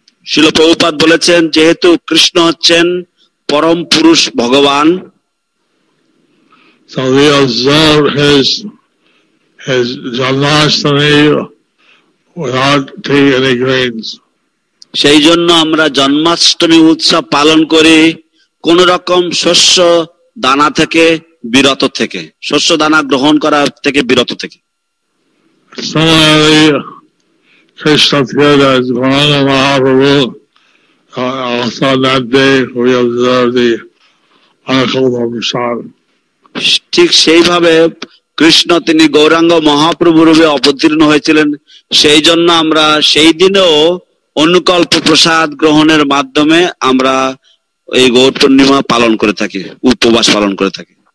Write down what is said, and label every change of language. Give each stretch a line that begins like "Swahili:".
Bangla: শিল প্রভুপাদ বলেছেন যেহেতু কৃষ্ণ হচ্ছেন পরম পুরুষ ভগবান,
English: so we observe his janmashtami without taking any grains.
Bangla: সেই জন্য আমরা জন্মাষ্টমী উৎসব পালন করি কোন রকম শস্য দানা থেকে বিরত থেকে, শস্য দানা গ্রহণ করা থেকে বিরত থেকে।
English: Similarly, Krishna feared as Gaurāṇga Mahāprabhu also that day we observe the Anakulpa Prasāda.
Bangla: ঠিক সেইভাবে কৃষ্ণ তিনি গৌরাঙ্গ মহাপ্রভু রূপে অবতীর্ণ হয়েছিলেন, সেই জন্য আমরা সেই দিনেও অনুকল্প প্রসাদ গ্রহণের মাধ্যমে আমরা এই গৌর পূর্ণিমা পালন করে থাকি, উপবাস পালন করে থাকি।